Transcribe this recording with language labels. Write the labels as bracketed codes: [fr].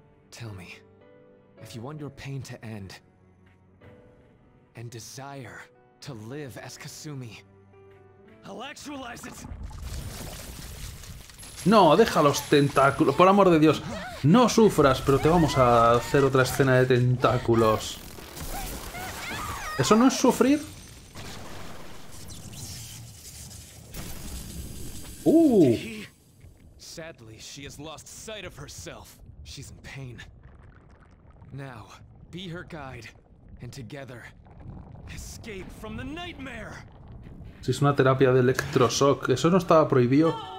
[en] Tell me, if you want your pain to end, and desire to live as Kasumi, I'll actualize it. [es] No, deja los tentáculos, por amor de Dios. No sufras, pero te vamos a hacer otra escena de tentáculos. ¿Eso no es sufrir? [en] Sadly, she has lost sight of herself. She's in pain. Now, be her guide and together escape from the nightmare. [es] Si es una terapia de electroshock, eso no estaba prohibido.